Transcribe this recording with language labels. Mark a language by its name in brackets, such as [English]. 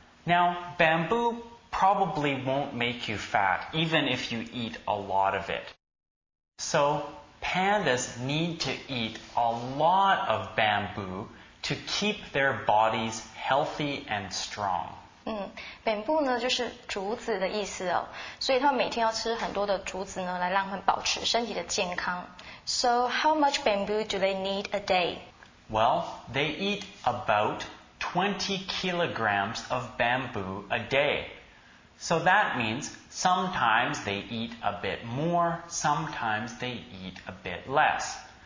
[English] Now, bamboo probably won't make you fat, even if you eat a lot of it. So, pandas need to eat a lot of bamboo to keep their bodies healthy and strong. [Chinese] Bamboo 呢就是竹子的意思哦，所以他们每天要吃很多的竹子呢，来让他们保持身体的健康。 [English] So how much bamboo do they need a day? Well, they eat about 20 kilograms of bamboo a day. So that means sometimes they eat a bit more, sometimes they eat a bit less.